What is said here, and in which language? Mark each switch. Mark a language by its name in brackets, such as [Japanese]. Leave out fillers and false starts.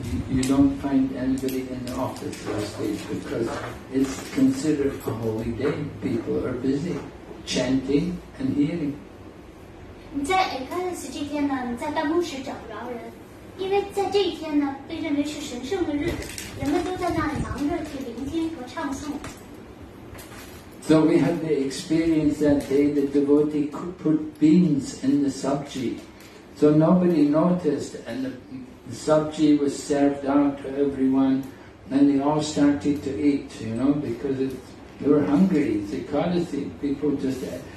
[English] You don't find anybody in the office last week because it's considered a holy day. People are busy chanting and hearing. [Chinese] 你在Ekadasi这天呢，你在办公室找不着人，因为在这一天呢，被认为是神圣的日子，人们都在那里忙着去聆听和唱诵。 [English] So we had the experience that day the devotee could put beans in the sabji. So nobody noticed, and the sabji was served out to everyone, and they all started to eat, you know, because they were hungry. It's Ekadasi. People just ate.